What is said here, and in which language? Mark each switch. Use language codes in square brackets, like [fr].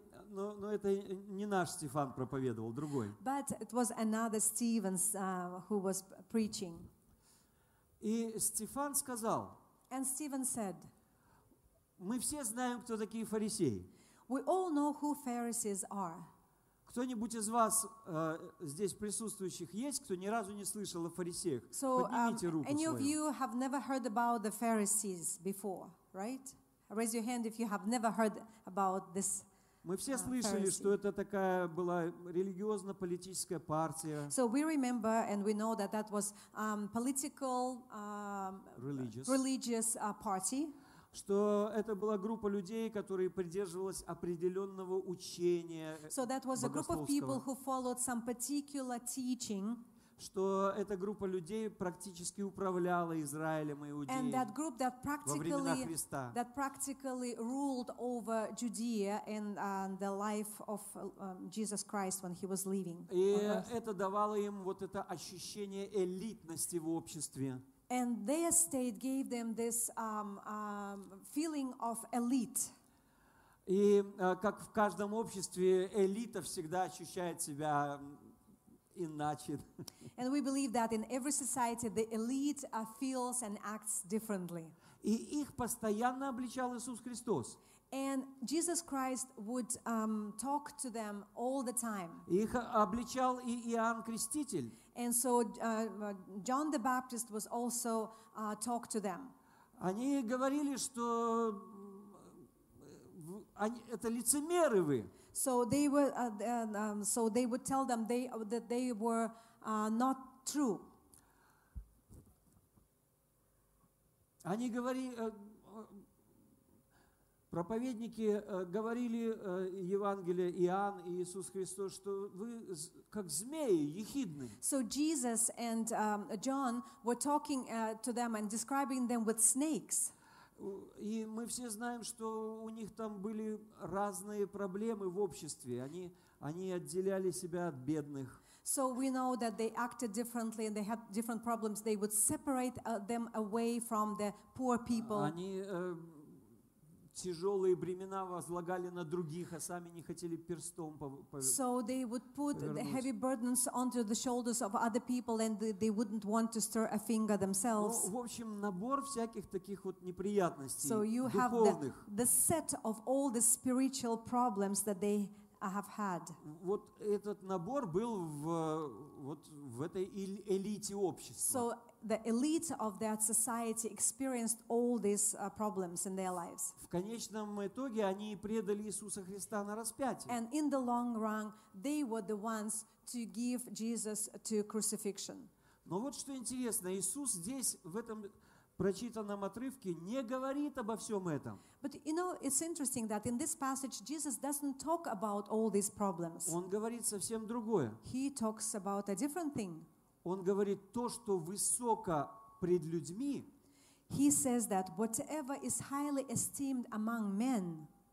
[ru] Но это не наш Стефан проповедовал, другой. [en] But it was another Stephen who was preaching. [ru] И Стефан сказал. [en] And Stephen said. [ru] Мы все знаем, кто такие фарисеи. [en] We all know who Pharisees are. [ru] Кто-нибудь из вас здесь присутствующих есть, кто ни разу не слышал о фарисеях? [en] So, [ru] поднимите руку свою. [en] Any of you have never heard about the Pharisees before, right? Raise your hand if you have never heard about this. [ru] Мы все слышали, что это такая была религиозно-политическая партия. [en] So we remember and we know that that was political religious party. [ru] Что это была группа людей, которые придерживались определенного учения богословского. [en] So that was a group of people who followed some particular teaching. [ru] Что эта группа людей практически управляла Израилем и Иудеей. [en] And that group that practically, [ru] во времена Христа. [en] That practically ruled over Judea in the life of Jesus Christ when he was living. [ru] И это давало им вот это ощущение элитности в обществе. [en] And their state gave them this feeling of elite. [ru] И как в каждом обществе элита всегда ощущает себя иначе. [en] And we believe that in every society the elite feels and acts differently. [ru] И их постоянно обличал Иисус Христос. [en] And Jesus Christ would talk to them all the time. [ru] Их обличал и Иоанн Креститель. [en] And so John the Baptist was also talk to them. [ru] Они говорили, что это лицемеры вы. [en] So they were so they would tell them that they were not true. [ru] Они проповедники говорили Евангелие Иоанн и Иисус Христос, что вы как змеи ехидны. [en] So Jesus and John were talking to them and describing them with snakes. [ru] И мы все знаем, что у них там были разные проблемы в обществе. Они отделяли себя от бедных. [en] So we know that they acted differently and they had different problems. They would separate them away from the poor people. [ru] Они тяжелые бремена возлагали на других, а сами не хотели перстом повернуть. [en] So they would put the heavy burdens onto the shoulders of other people and they wouldn't want to stir a finger themselves. [ru] В общем, набор всяких таких вот неприятностей духовных. [en] So you have the set of all the spiritual problems that they have had. [ru] Вот этот набор был в этой элите общества. [en] So the elite of that society experienced all these problems in their lives. [ru] В конечном итоге они предали Иисуса Христа на распятие. [en] And in the long run, they were the ones to give Jesus to crucifixion. [ru] Но вот что интересно, Иисус здесь в этом прочитанном отрывке не говорит обо всем этом. [en] But you know, it's interesting that in this passage Jesus doesn't talk about all these problems. [ru] Он говорит совсем другое. [en] He talks about a different thing. [ru] Он говорит то, что высоко пред людьми. [en] He says that whatever is highly esteemed among men,